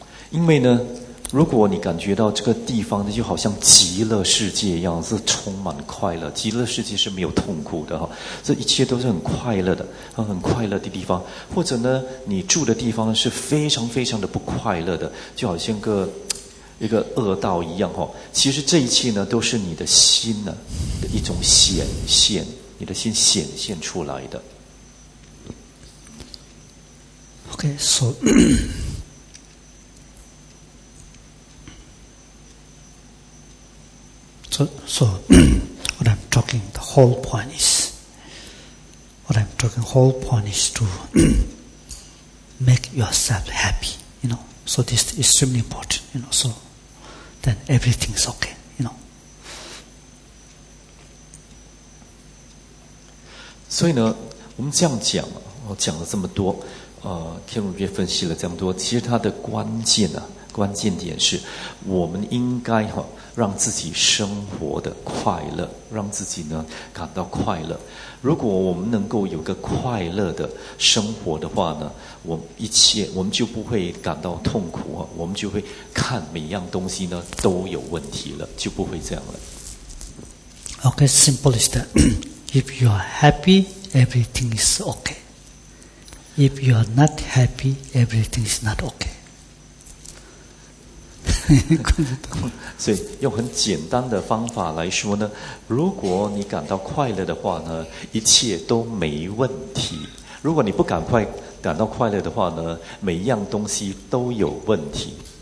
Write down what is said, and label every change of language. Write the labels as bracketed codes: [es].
[zh] 因为呢，如果你感觉到这个地方就好像极乐世界一样，是充满快乐，极乐世界是没有痛苦的哈，这一切都是很快乐的，很快乐的地方。或者呢，你住的地方是非常非常的不快乐的，就好像一个恶道一样哈。其实这一切呢，都是你的心呢的一种显现，你的心显现出来的。 [en] Okay, so so what I'm talking, the whole point is to make yourself happy, you know. So this is extremely important, you know. So then everything's okay, you know. [zh] 所以呢，我们这样讲，我讲了这么多。天如月分析了这么多，其实它的关键点是我们应该让自己生活的快乐，让自己呢感到快乐。如果我们能够有个快乐的生活的话呢，我们就不会感到痛苦，我们就会看每样东西呢都有问题了，就不会这样了。 [en] Okay, simple is that if you are happy, everything is okay. If you are not happy, everything is not okay. [zh] 所以用很简单的方法来说呢，如果你感到快乐的话呢，一切都没问题。如果你不赶快感到快乐的话呢，每一样东西都有问题。